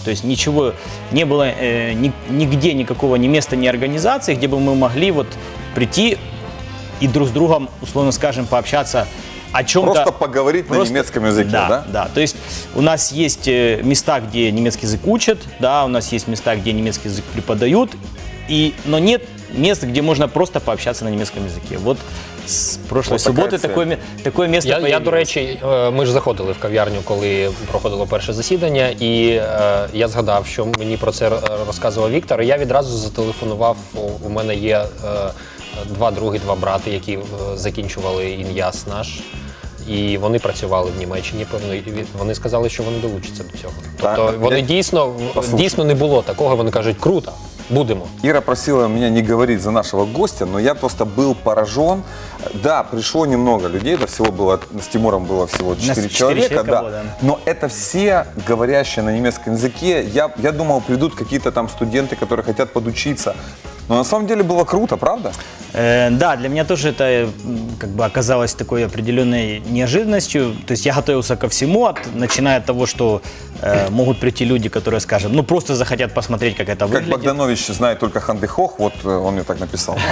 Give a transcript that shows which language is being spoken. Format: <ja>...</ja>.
<ru>То есть ничего не было, нигде никакого ни места, ни организации, где бы мы могли вот прийти и друг с другом, условно скажем, пообщаться о чем-то. Просто поговорить просто... на немецком языке, да, да? Да, то есть у нас есть места, где немецкий язык учат, да, у нас есть места, где немецкий язык преподают, и... но нет места, где можно просто пообщаться на немецком языке. Вот с прошлой вот субботы такое место появилось.</ru> <uk>Я, до речи, мы же заходили в кав'ярню, коли проходило перше засідання, и я згадав, що мені про це розказував Віктор, і я відразу зателефонував, у мене є... два брати, які закінчували ін'яс наш, і вони працювали в Німеччині, певно, і вони сказали, що вони долучаться до цього. Тобто вони дійсно не було такого, вони кажуть, круто, будемо. Іра просила мене не говорити за нашого гостя, але я просто був поражен. Да, прийшло немного людей, це всього було, з Тимуром було всього 4 чоловіка, да. Але це всі говорящі на німецькому язикі. Я думав, прийдуть якісь там студенти, які хочуть подучитися.</uk> <ru>Но на самом деле было круто, правда? Да, для меня тоже это как бы оказалось такой определенной неожиданностью. То есть я готовился ко всему, начиная от того, что могут прийти люди, которые, скажем, ну просто захотят посмотреть, как это выглядит. Как Богданович знает только Хандыхох, вот он мне так написал.</ru>